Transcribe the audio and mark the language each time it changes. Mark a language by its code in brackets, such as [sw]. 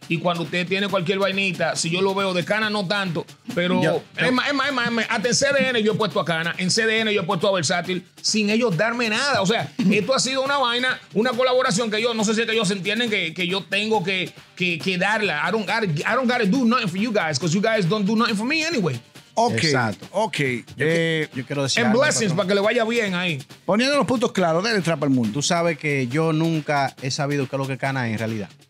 [es] Y cuando usted tiene cualquier vainita, si yo lo veo de Cana, no tanto, pero... Es más. Hasta en CDN yo he puesto a Cana, en CDN yo he puesto a Versátil, sin ellos darme nada. O sea, esto ha sido una vaina, una colaboración que yo, no sé si es que ellos entienden que yo tengo que darla. [en] I don't gotta do nothing for you guys, because you guys don't do nothing for me anyway. [es] Ok. Exacto. Ok. Yo quiero decir. En blessings, para que le vaya bien ahí. Poniendo los puntos claros, dale trap al mundo. Tú sabes que yo nunca he sabido qué es lo que Cana es en realidad.